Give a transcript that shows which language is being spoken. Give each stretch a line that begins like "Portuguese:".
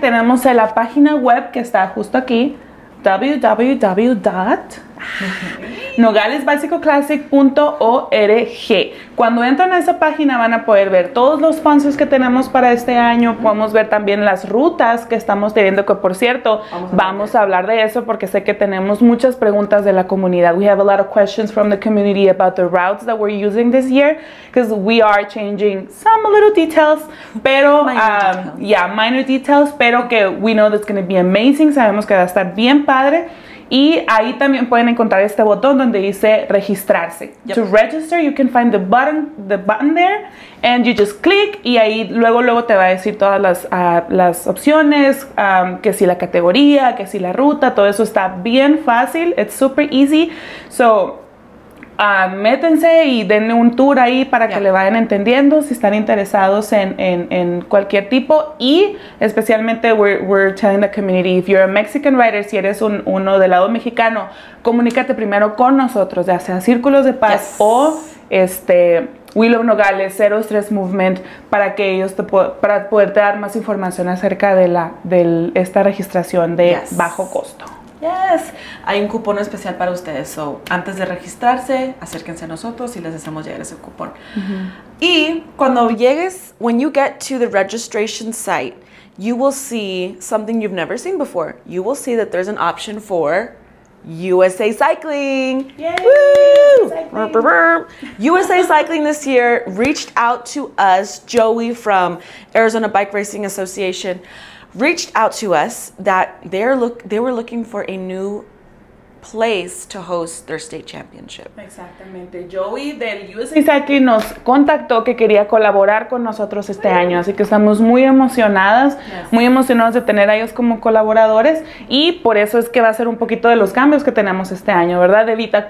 Spanish: Tenemos la página web que está justo aquí. www.nogalesbicycleclassic.org. Cuando entran a esa página van a poder ver todos los sponsors que tenemos para este año. Podemos ver también las rutas que estamos teniendo, que por cierto, vamos a hablar de eso porque sé que tenemos muchas preguntas de la comunidad.
English: We have a lot of questions from the community about the routes that we're using this year because we are changing some little details,
Spanish: pero,
English: minor details,
Spanish: pero que
English: we know that's going to be amazing.
Spanish: Sabemos que va a estar bien padre. Y ahí también pueden encontrar este botón donde dice registrarse.
English: Yep. To register, you can find the button there, and you just click,
Spanish: y ahí luego te va a decir todas las opciones, que si la categoría, que si la ruta, todo eso está bien fácil,
English: it's super easy.
Spanish: So, métense y denle un tour ahí para que le vayan entendiendo si están interesados en cualquier tipo. Y especialmente
English: we're telling the community, if you're a Mexican writer,
Spanish: si eres uno del lado mexicano, comunícate primero con nosotros, ya sea Círculos de Paz o Willow Nogales, 03 Movement, para que ellos para poderte dar más información acerca de esta registración de bajo costo. Yes, hay un cupón especial para ustedes. So, antes de registrarse, acérquense a nosotros y les hacemos llegar ese cupón. Mm-hmm. Y cuando llegues,
English: when you get to the registration site, you will see something you've never seen before. You will see that there's an option for USA Cycling. Yay! Woo! Cycling. USA Cycling this year reached out to us, Joey from Arizona Bike Racing Association, reached out to us that they were looking for a new place to host their state championship.
Spanish: Exactamente. Joey del USA Cycling nos contactó que quería colaborar con nosotros este año, así que estamos muy emocionadas, muy emocionados de tener a ellos como colaboradores, y por eso es que va a ser un poquito de los cambios que tenemos este año, ¿verdad, Evita?